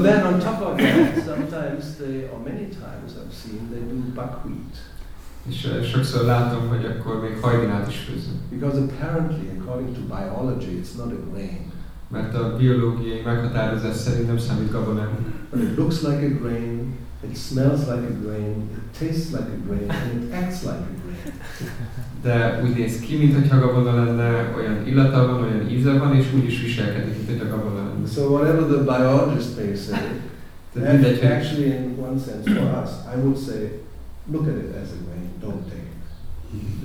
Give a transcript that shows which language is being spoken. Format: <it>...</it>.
<en>then on top of that, sometimes they, or many times I've seen, they do buckwheat.</en> <hu>És sokszor látom, hogy akkor még hajdinát is főznek.</hu> <en>Because apparently, according to biology, it's not a grain.</en> <hu>Mert a biológiai meghatározás szerint nem számít gabonának.</hu> <en>But it looks like a grain. It smells like a grain, it tastes like a grain, and it acts like a grain.</en> <hu>De úgy néz ki, mintha gabona lenne, olyan illata van, olyan íze van, és úgy is viselkedik, mintha gabona lenne.</hu> <en>So whatever the biologist may say, actually in one sense for us, I would say, look at it as a grain, don't take it.</en>